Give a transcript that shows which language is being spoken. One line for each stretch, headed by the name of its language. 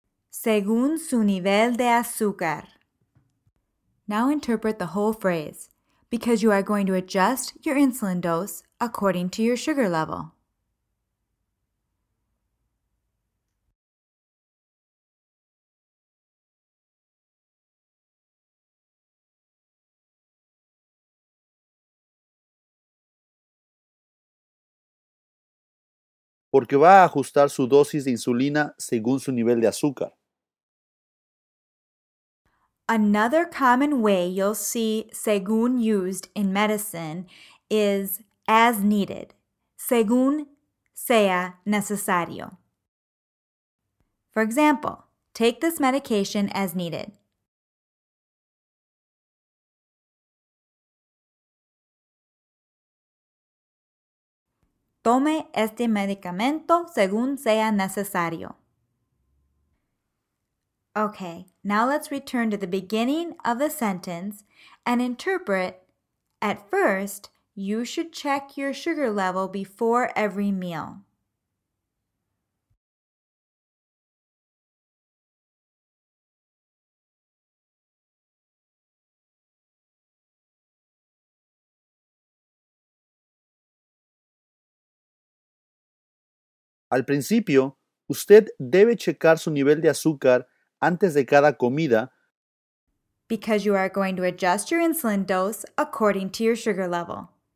Spanish: Según su nivel de azúcar.
English: Now interpret the whole phrase, because you are going to adjust your insulin dose according to your sugar level.
Spanish: Porque va a ajustar su dosis de insulina según su nivel de azúcar.
English: Another common way you'll see según used in medicine is as needed, según sea necesario. For example, take this medication as needed.
Spanish: Tome este medicamento según sea necesario.
English: Okay, now let's return to the beginning of the sentence and interpret, at first, you should check your sugar level before every meal.
Spanish: Al principio, usted debe checar su nivel de azúcar antes de cada comida.
English: Because you are going to adjust your insulin dose according to your sugar level.